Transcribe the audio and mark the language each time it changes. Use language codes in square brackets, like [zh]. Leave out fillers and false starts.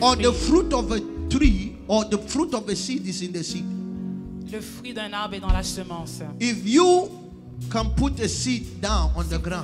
[en] or fruit. The fruit of a tree, or the fruit of a seed is in the seed. [fr] Le fruit d'un arbre est dans la semence. [en] If you can put a seed down on the ground,